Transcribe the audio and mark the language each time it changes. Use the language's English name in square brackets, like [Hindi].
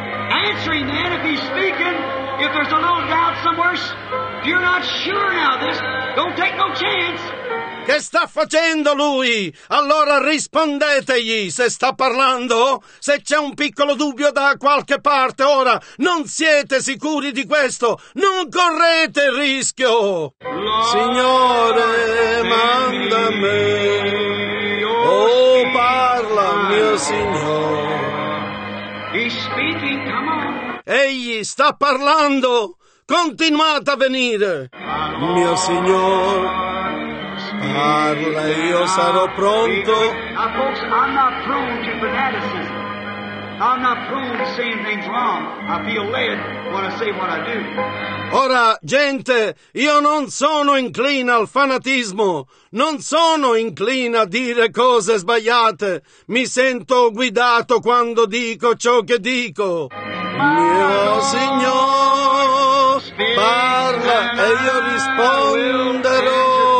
[English] Answering then, if he's speaking, if there's a little doubt somewhere, if you're not sure now of this, don't take no chance. [Italian] Che sta facendo lui? Allora rispondetegli se sta parlando. Se c'è un piccolo dubbio da qualche parte, ora non siete sicuri di questo, non correte il rischio. Signore, manda me. Oh, parla, mio Signore. [English] He's speaking, come on. [Italian] Egli sta parlando. Continuate a venire. Mio Signore, parla, io sarò pronto. [English] Folks, I'm not prone to fanaticism. I'm not prone to saying things wrong. I feel led when I say what I do. [Italian] Ora, gente, io non sono incline al fanatismo. Non sono incline a dire cose sbagliate. Mi sento guidato quando dico ciò che dico. Mio Signore, parla e io risponderò.